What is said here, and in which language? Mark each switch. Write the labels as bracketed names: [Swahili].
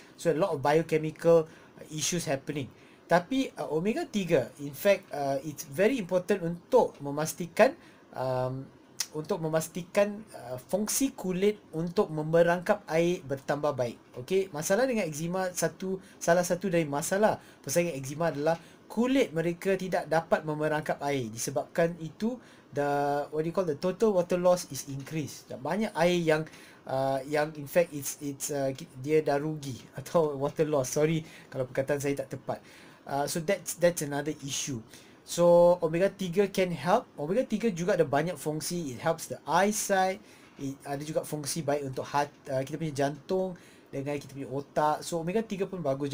[English] So a lot of biochemical issues happening. [Malay] Tapi omega 3, [English] in fact, it's very important [Malay] untuk memastikan fungsi kulit untuk memerangkap air bertambah baik. Okay, masalah dengan eczema, salah satu dari masalah pesakit eczema adalah kulit mereka tidak dapat memerangkap air. Disebabkan itu, [English] the total water loss is increased. [Malay] Banyak air yang dia dah rugi atau water loss. Sorry kalau perkataan saya tak tepat. [English] So that's another issue. So omega 3 can help. [Malay] Omega 3 juga ada banyak fungsi. [English] It helps the eyesight. [Malay] It ada juga fungsi baik untuk heart, kita punya jantung dengan kita punya otak. So omega 3 pun bagus.